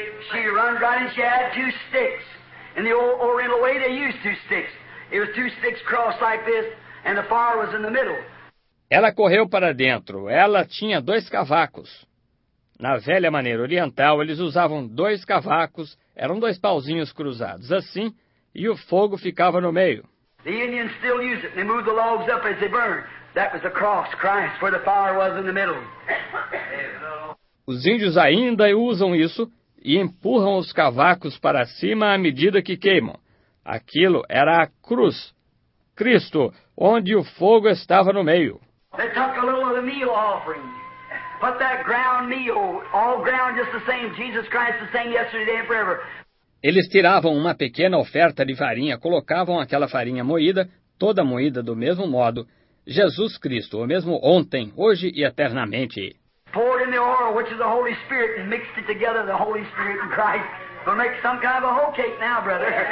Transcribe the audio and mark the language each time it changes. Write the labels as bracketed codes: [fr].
[en] She runs right and she had two sticks. In the old Oriental way, they used two sticks. It was two sticks crossed like this, and the fire was in the middle. [pt] Ela correu para dentro. Ela tinha dois cavacos. Na velha maneira oriental, eles usavam dois cavacos. Eram dois pauzinhos cruzados, assim, e o fogo ficava no meio. [en] The Indians still use it. They move the logs up as they burn. That was the cross, Christ, where the fire was in the middle. [pt] Os índios ainda usam isso e empurram os cavacos para cima à medida que queimam. Aquilo era a cruz, Cristo, onde o fogo estava no meio. [en] They took a little of the meal offering. Put that ground meal, all ground just the same, Jesus Christ the same yesterday and forever. [pt] Eles tiravam uma pequena oferta de farinha, colocavam aquela farinha moída, toda moída do mesmo modo. Jesus Cristo, o mesmo ontem, hoje e eternamente. [en] Poured in the oil, which is the Holy Spirit, and mixed it together, the Holy Spirit and Christ. We'll make some kind of a whole cake now, brother.